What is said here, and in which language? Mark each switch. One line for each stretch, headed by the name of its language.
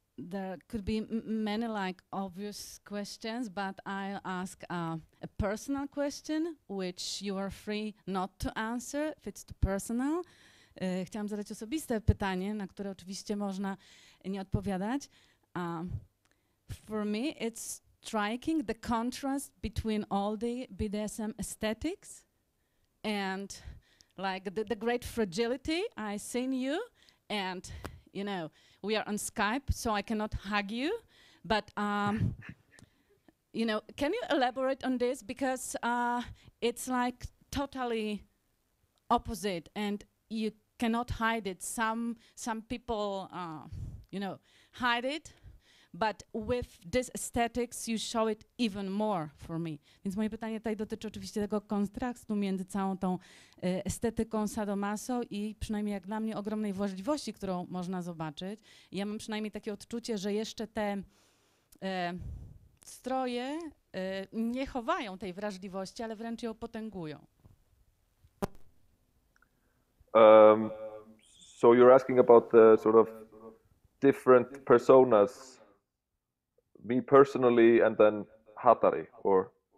English: There could be many like obvious questions, but I'll ask a personal question, which you are free not to answer if it's too personal.
Polish: Chciałam zadać osobiste pytanie, na które oczywiście można nie odpowiadać.
English: For me, it's striking the contrast between all the BDSM aesthetics and like the great fragility I see in you and, you know, we are on Skype, so I cannot hug you, but, you know, can you elaborate on this? Because it's like totally opposite, and you cannot hide it. Some people, you know, hide it, but with this aesthetics, you show it even more for me.
Polish: Więc moje pytanie tutaj dotyczy oczywiście tego kontrastu między całą tą estetyką sadomaso i przynajmniej jak dla mnie ogromnej wrażliwości, którą można zobaczyć. I ja mam przynajmniej takie odczucie, że jeszcze te stroje nie chowają tej wrażliwości, ale wręcz ją potęgują.
English: So you're asking about the sort of different personas, me personally and then Hatari, or?